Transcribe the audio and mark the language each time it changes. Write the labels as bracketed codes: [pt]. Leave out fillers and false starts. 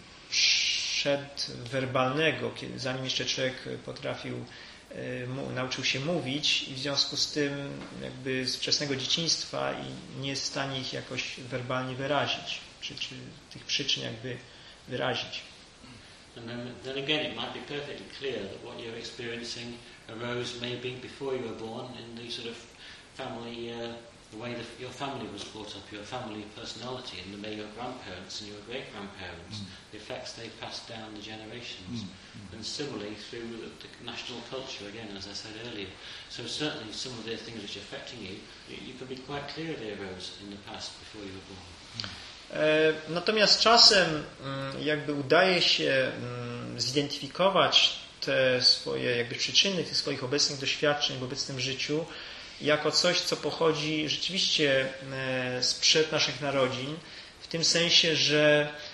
[pl] przedwerbalnego, zanim jeszcze człowiek potrafił, nauczył się mówić, i w związku z tym jakby z wczesnego dzieciństwa i nie jest w stanie ich jakoś werbalnie wyrazić, czy tych przyczyn jakby wyrazić. [en] And then again, it might be perfectly clear that what you're experiencing arose maybe before you were born in the sort of family, the way that your family was brought up, your family personality, and the way your grandparents and your great-grandparents, the effects they passed down the generations, and similarly through the national culture, again, as I said earlier. So certainly some of the things which are affecting you, you can be quite clear they arose in the past before you were born. Mm. [pl] Natomiast czasem jakby udaje się zidentyfikować te swoje jakby przyczyny tych swoich obecnych doświadczeń w obecnym życiu jako coś, co pochodzi rzeczywiście sprzed naszych narodzin, w tym sensie, że